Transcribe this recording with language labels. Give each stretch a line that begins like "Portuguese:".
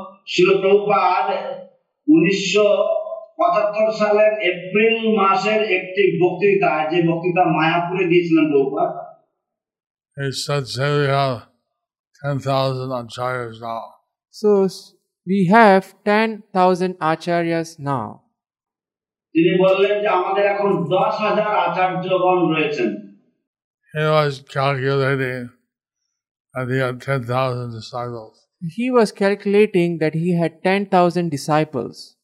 Bangla: Srila Prabhupada, 1975 সালের April মাসের একটি বক্তৃতা, যে বক্তৃতা মায়াপুরে দিয়েছিলেন Prabhupada.
English: He said, we have 10,000 acharyas now. So, we have 10,000 acharyas now.
Bangla: তিনি বললেন যে আমাদের এখন 10,000 আচার্যগণ রয়েছেন.
English: He was calculating that he had 10,000 disciples. He was calculating that he had 10,000 disciples.